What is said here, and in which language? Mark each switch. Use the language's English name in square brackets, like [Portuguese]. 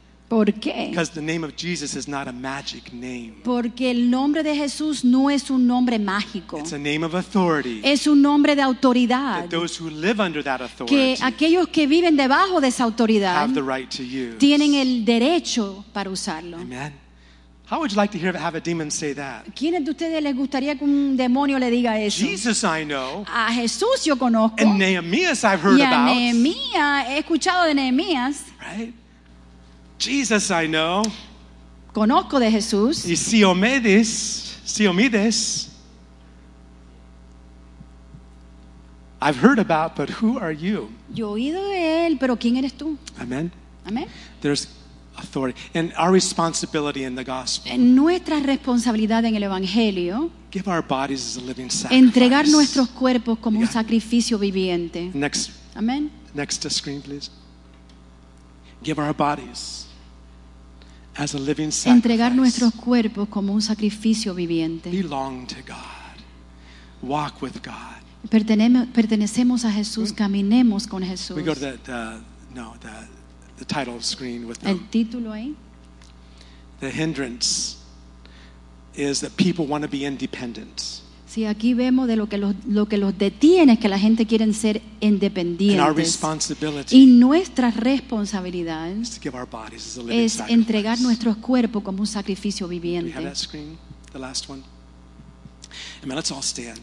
[Spanish] ¿Por qué? [English] Because the name of Jesus is not a magic name. [Spanish] Porque el nombre de Jesús no es un nombre mágico. [English] It's a name of authority. [Spanish] Es un nombre de autoridad. [English] That those who live under that authority. [Spanish] Que aquellos que viven debajo de esa autoridad. [English] Have the right to use. [Spanish] Tienen el derecho para usarlo. [English] Amen. How would you like to hear have a demon say that? [Spanish] ¿Quiénes de ustedes les gustaría que un demonio le diga eso? [English] Jesus I know. [Spanish] A Jesús yo conozco. [English] And Nehemiah I've heard [Spanish] y a [English] about. [Spanish] Nehemiah, he escuchado de Nehemías. [English] Right? Jesus, I know. [Spanish] Conozco de Jesús. Y si omedes, si omedes. [English] I've heard about, but who are you? [Spanish] Yo he oído de él, pero ¿quién eres tú? [English] Amen. Amen. There's authority and our responsibility in the gospel. [Spanish] En nuestra responsabilidad en el evangelio. [English] Give our bodies as a living sacrifice. [Spanish] Entregar nuestros cuerpos como un sacrificio viviente. [English] Next. Amen. Next screen, please. Give our bodies as a living sacrifice. [Spanish] Entregar nuestros cuerpos como un sacrificio viviente. [English] Belong to God. Walk with God. [Spanish] Pertenecemos a Jesús. Caminemos con Jesús. [English] We go to the title screen with [Spanish] el título ahí. [English] The hindrance is that people want to be independent. [Spanish] Sí, aquí vemos de lo que los detiene es que la gente quiere ser independientes. Y nuestra responsabilidad es entregar nuestros cuerpos como un sacrificio viviente. [English] Have that screen, the last one. I mean, let's all stand.